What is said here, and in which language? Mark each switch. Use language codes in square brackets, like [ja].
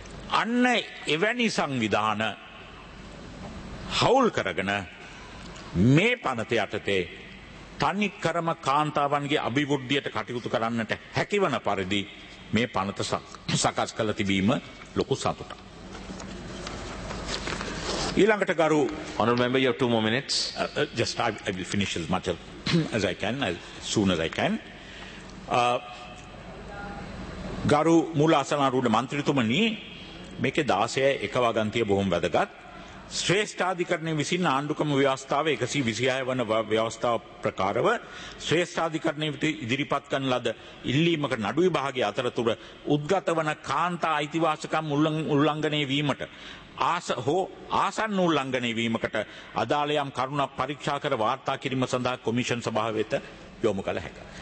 [si] අන්න එවැනි සංවිධාන හවුල් කරගෙන මේ පනත යටතේ තනි ක්‍රම කාන්තාවන්ගේ අභිවෘද්ධියට කටයුතු කරන්නට හැකිවන පරිදි මේ පනත සකස් කළ තිබීම ලොකු සතුටක්. ඊළඟට ගරු [en] honorable member, you have 2 more minutes. I will finish as much as I can, as soon as I can. [si] ගරු මූලාසනාරූඪ මන්ත්‍රීතුමනි, මේකේ 16 එක වගන්තිය බොහොම වැදගත්. ශ්‍රේෂ්ඨාධිකරණය විසින් ආණ්ඩුකම ව්‍යවස්ථාව 126 වන ව්‍යවස්ථාව ප්‍රකාරව ශ්‍රේෂ්ඨාධිකරණය ඉදිරිපත් කරන ලද ඉල්ලීමක නඩු විභාගයේ අතරතුර උද්ගත වන කාන්තා අයිතිවාසිකම් උල්ලංඝනය වීමට ආසන්න උල්ලංඝනය වීමකට අදාළ යම් කරුණක් පරීක්ෂා කර වාර්තා කිරීම සඳහා කොමිෂන් සභාව වෙත යොමු කළ හැක.